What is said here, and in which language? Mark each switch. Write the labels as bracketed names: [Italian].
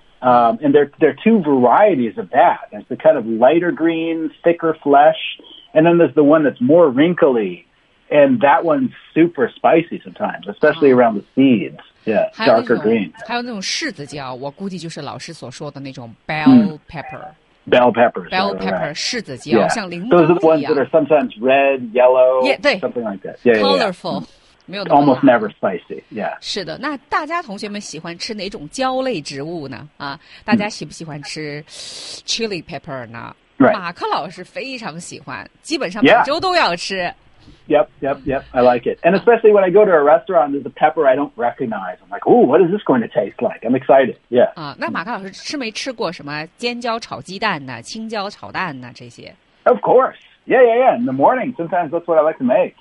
[English] And there are two varieties of that. There's the kind of lighter green, thicker flesh, and then there's the one that's more wrinkly, and that one's super spicy sometimes, especially around the seeds. Yeah, darker green. [Chinese] 还有那种柿子椒，我估计就是老师所说的那种 bell pepper. [English] Bell peppers. Bell pepper, right. [Chinese] 柿子椒，像铃铛一样。 [English] Those are the ones that are sometimes red, yellow, something like that. Yeah, colorful. Yeah, yeah. Almost never spicy, yeah. [Chinese] 是的，那大家同学们喜欢吃哪种椒类植物呢？啊，大家喜不喜欢吃 chili pepper 呢？ [English] Right. [Chinese] 马克老师非常喜欢，基本上每周都要吃。 [English] Yep, yep, yep, I like it. And especially when I go to a restaurant, there's a pepper I don't recognize. I'm like, ooh, what is this going to taste like? I'm excited, yeah. [Chinese] 啊，那马克老师吃没吃过什么尖椒炒鸡蛋呢，青椒炒蛋呢，这些？ [English] Of course. Yeah, yeah, yeah. In the morning, sometimes that's what I like to make.